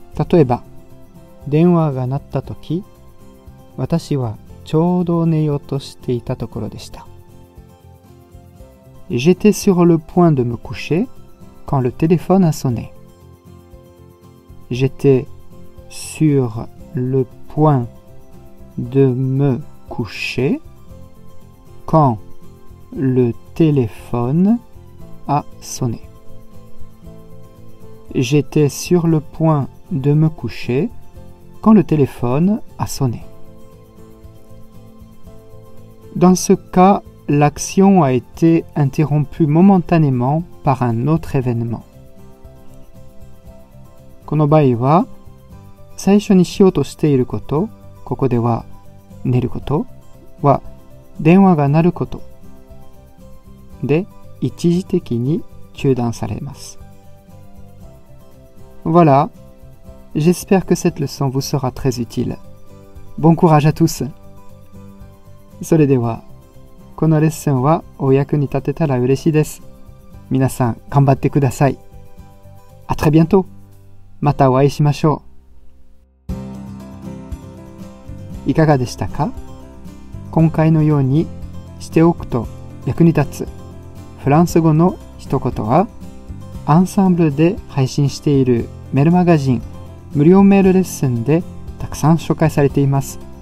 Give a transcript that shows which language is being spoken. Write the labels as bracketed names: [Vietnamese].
[Japanese] 例えば、電話が鳴った時、私はちょうど寝ようとしていたところでした。 [French] J'étais sur le point de me coucher quand le téléphone a sonné. J'étais sur le point de me coucher quand le téléphone a sonné. J'étais sur le point de me coucher quand le téléphone a sonné. Dans ce cas,L'action a été interrompue momentanément par un autre événement. [Japanese] この場合は、最初にしようとしていること、ここでは寝ることは、電話が鳴ることで一時的に中断されます。 [French] Voilà, j'espère que cette leçon vous sera très utile. Bon courage à tous! [Japanese] それでは、このレッスンはお役に立てたら嬉しいです。皆さん頑張ってください。 [French] À très bientôt! [Japanese] またお会いしましょう。いかがでしたか？今回のようにしておくと役に立つフランス語の一言は、アンサンブルで配信しているメールマガジン無料メールレッスンでたくさん紹介されています。